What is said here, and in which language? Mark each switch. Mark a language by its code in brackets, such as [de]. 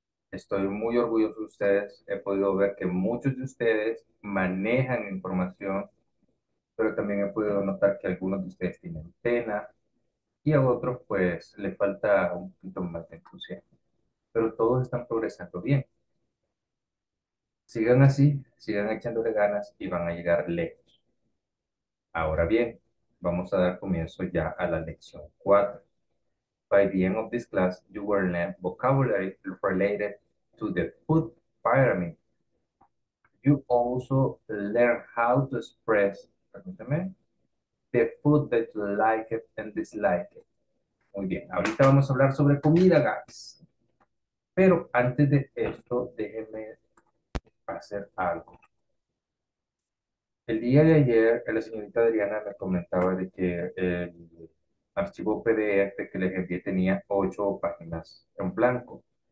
[es] Estoy muy orgulloso de ustedes. He podido ver que muchos de ustedes manejan información, pero también he podido notar que algunos de ustedes tienen pena y a otros, pues, le falta un poquito más de entusiasmo. Pero todos están progresando bien. Sigan así, sigan echándole ganas y van a llegar lejos. Ahora bien, vamos a dar comienzo ya a la lección 4. [en] By the end of this class, you will learn vocabulary related to the food pyramid. You also learn how to express, [es] permítame, [en] the food that you like it and dislike it. [es] Muy bien, ahorita vamos a hablar sobre comida, guys. Pero antes de esto, déjenme hacer algo. El día de ayer, la señorita Adriana me comentaba de que el archivo PDF que les envié tenía 8 páginas en blanco.